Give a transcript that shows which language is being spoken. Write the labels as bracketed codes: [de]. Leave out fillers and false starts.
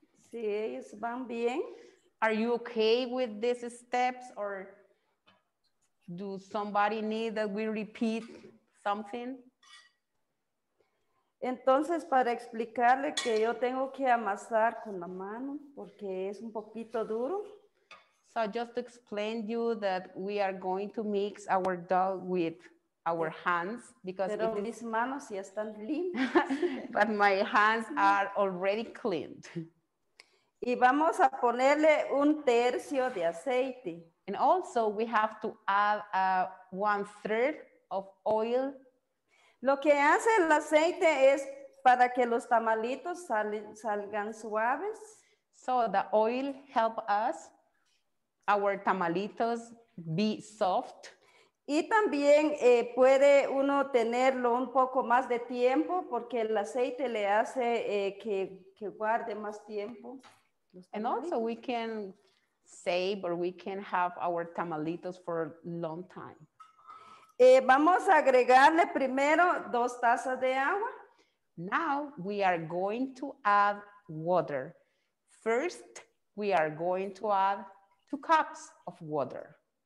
[es] Sí, ellos van bien. [en] Are you okay with these steps, or do somebody need that we repeat something? [es] Entonces, para explicarle que yo tengo que amasar con la mano porque es un poquito duro. [en] So just to explain you that we are going to mix our dough with our hands because [es] pero mis manos ya están limpias. [en] But my hands are already cleaned. [es] Y vamos a ponerle 1/3 de aceite. [en] And also we have to add 1/3 of oil. [es] Lo que hace el aceite es para que los tamalitos salgan suaves. [en] So the oil help us, our tamalitos, be soft. [es] Y también puede uno tenerlo un poco más de tiempo porque el aceite le hace que guarde más tiempo. [en] And also we can save or we can have our tamalitos for a long time. [es] Vamos a agregarle primero 2 tazas de agua. [en] Now we are going to add water. First, we are going to add 2 cups of water.